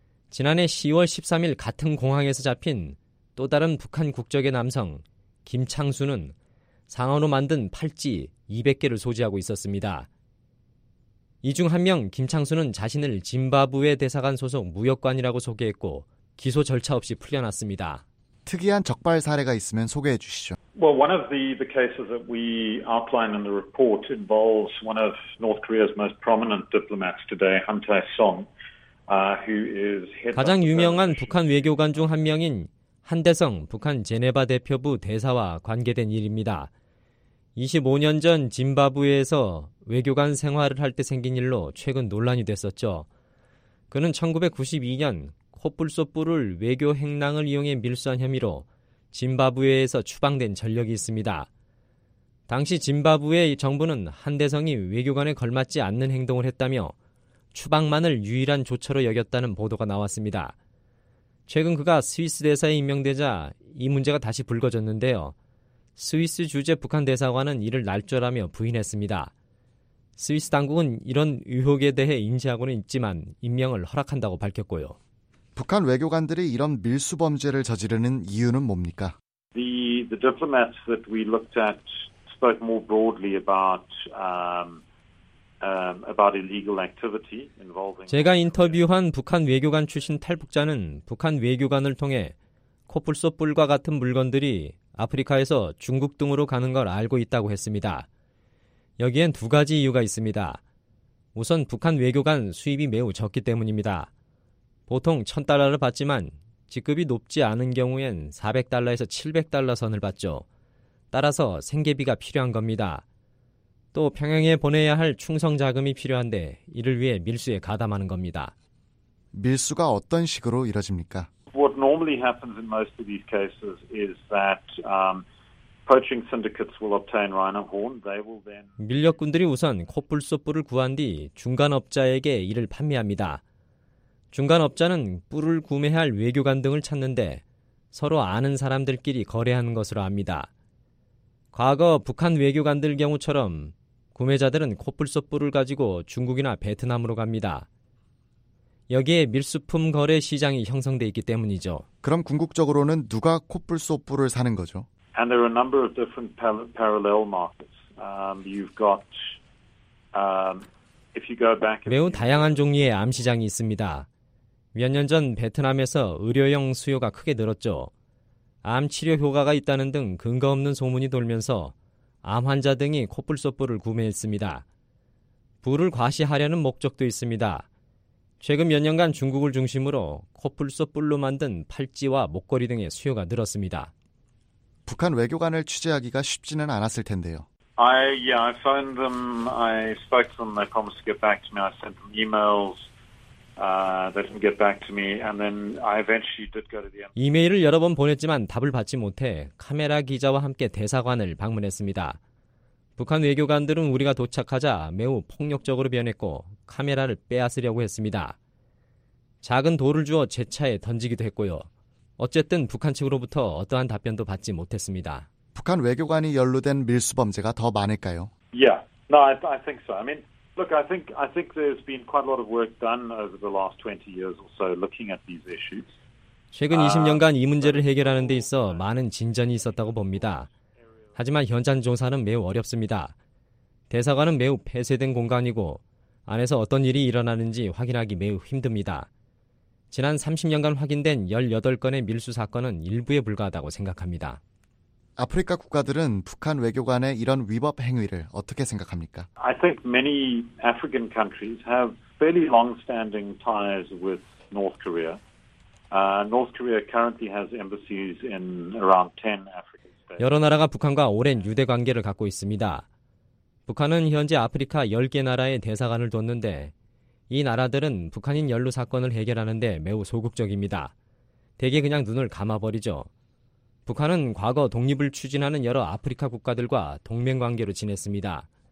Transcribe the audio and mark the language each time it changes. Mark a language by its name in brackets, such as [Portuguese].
[Korean] 지난해 10월 13일 같은 공항에서 잡힌 또 다른 북한 국적의 남성 김창수는 상어로 만든 팔찌 200개를 소지하고 있었습니다. 이 중 한 명 김창수는 자신을 짐바브웨 대사관 소속 무역관이라고 소개했고 기소 절차 없이 풀려났습니다. 특이한 적발 사례가 있으면 소개해 주시죠. [English] Well, one of the cases that we outline in the report involves one of North Korea's most prominent diplomats today, Han Tae-song, who is head. [Korean] 가장 유명한 북한 외교관 중 한 명인 한대성 북한 제네바 대표부 대사와 관계된 일입니다. 25년 전 짐바브웨에서 외교관 생활을 할 때 생긴 일로 최근 논란이 됐었죠. 그는 1992년 코뿔소뿔을 외교 행랑을 이용해 밀수한 혐의로 짐바브웨에서 추방된 전력이 있습니다. 당시 짐바브웨 정부는 한대성이 외교관에 걸맞지 않는 행동을 했다며 추방만을 유일한 조처로 여겼다는 보도가 나왔습니다. 최근 그가 스위스 대사에 임명되자 이 문제가 다시 불거졌는데요. 스위스 주재 북한 대사관은 이를 날조라며 부인했습니다. 스위스 당국은 이런 의혹에 대해 인지하고는 있지만 임명을 허락한다고 밝혔고요. 북한 외교관들이 이런 밀수 범죄를 저지르는 이유는 뭡니까? [English] The diplomats that we looked at spoke more broadly about illegal activity involving. [Korean] 제가 인터뷰한 북한 외교관 출신 탈북자는 북한 외교관을 통해 코뿔소뿔과 같은 물건들이 아프리카에서 중국 등으로 가는 걸 알고 있다고 했습니다. 여기엔 두 가지 이유가 있습니다. 우선 북한 외교관 수입이 매우 적기 때문입니다. 보통 $1,000를 받지만 직급이 높지 않은 경우엔 $400에서 $700 선을 받죠. 따라서 생계비가 필요한 겁니다. 또 평양에 보내야 할 충성 자금이 필요한데 이를 위해 밀수에 가담하는 겁니다. 밀수가 어떤 식으로 이루어집니까? [English] What normally happens in most of these cases is that poaching syndicates will obtain rhino horn. They will then. [Korean] 밀렵꾼들이 우선 코뿔소뿔을 구한 뒤 중간업자에게 이를 판매합니다. 중간업자는 뿔을 구매할 외교관 등을 찾는데 서로 아는 사람들끼리 거래하는 것으로 압니다. 과거 북한 외교관들 경우처럼 구매자들은 코뿔소뿔을 가지고 중국이나 베트남으로 갑니다. 여기에 밀수품 거래 시장이 형성돼 있기 때문이죠. 그럼 궁극적으로는 누가 코뿔소뿔을 사는 거죠? [English] And there are a number of different parallel markets. You've got if you go back. [Korean] 매우 다양한 종류의 암 시장이 있습니다. 몇 년 전 베트남에서 의료용 수요가 크게 늘었죠. 암 치료 효과가 있다는 등 근거 없는 소문이 돌면서 암 환자 등이 코뿔소뿔을 구매했습니다. 부를 과시하려는 목적도 있습니다. 최근 몇 년간 중국을 중심으로 코뿔소뿔로 만든 팔찌와 목걸이 등의 수요가 늘었습니다. 북한 외교관을 취재하기가 쉽지는 않았을 텐데요. [English] I phoned them. I spoke to them. They promised to get back to me. I sent them emails. They didn't get back to me. And then I eventually did go to the embassy. [Korean] 이메일을 여러 번 보냈지만 답을 받지 못해 카메라 기자와 함께 대사관을 방문했습니다. 북한 외교관들은 우리가 도착하자 매우 폭력적으로 변했고 카메라를 빼앗으려고 했습니다. 작은 돌을 주어 제 차에 던지기도 했고요. 어쨌든 북한 측으로부터 어떠한 답변도 받지 못했습니다. 북한 외교관이 연루된 밀수 범죄가 더 많을까요? [English] Yeah. No, I think so. I mean, look, I think there's been quite a lot of work done over the last 20 years or so looking at these issues. [Korean] 최근 20년간 이 문제를 해결하는 데 있어 많은 진전이 있었다고 봅니다. 하지만 현장 조사는 매우 어렵습니다. 대사관은 매우 폐쇄된 공간이고 안에서 어떤 일이 일어나는지 확인하기 매우 힘듭니다. 지난 30년간 확인된 18건의 밀수 사건은 일부에 불과하다고 생각합니다. 아프리카 국가들은 북한 외교관의 이런 위법 행위를 어떻게 생각합니까? [English] I think many African countries have fairly long-standing ties with North Korea. North Korea currently has embassies in around 10 African states. [Korean] 여러 나라가 북한과 오랜 유대 관계를 갖고 있습니다. 북한은 현재 아프리카 10개 나라에 대사관을 뒀는데 이 나라들은 북한인 연루 사건을 해결하는 데 매우 소극적입니다. 대개 그냥 눈을 감아버리죠. 북한은 과거 독립을 추진하는 여러 아프리카 국가들과 동맹관계로 지냈습니다.